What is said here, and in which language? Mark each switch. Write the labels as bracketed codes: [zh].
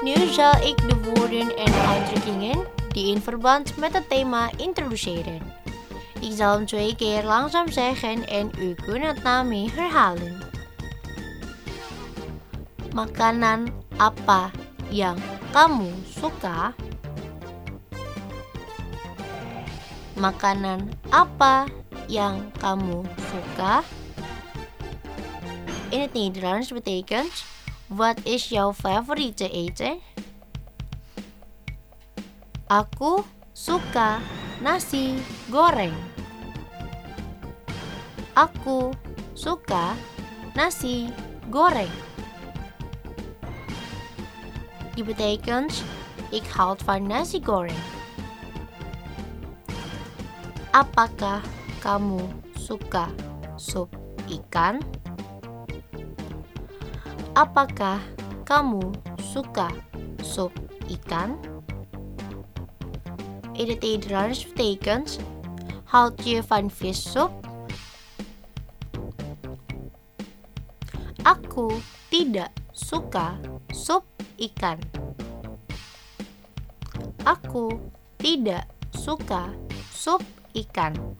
[nl] Zal ik de woorden en uitdrukkingen die in verband met het thema introduceren. Ik zal hem twee keer langzaam zeggen en u kunt het daarmee herhalen. [id] Makanan apa yang kamu suka? Makanan apa yang kamu suka? [nl] In het Nederlands betekent, wat is jouw favoriete eten? [id] Aku suka nasi goreng. Aku suka nasi goreng. [nl] Die betekent, ik houd van nasi goreng. [id] Apakah kamu suka sup ikan? Apakah kamu suka sup ikan? [nl] In het Nederlands betekent, houd je van vissoep? [id] Aku tidak suka sup ikan. Aku tidak suka sup ikan.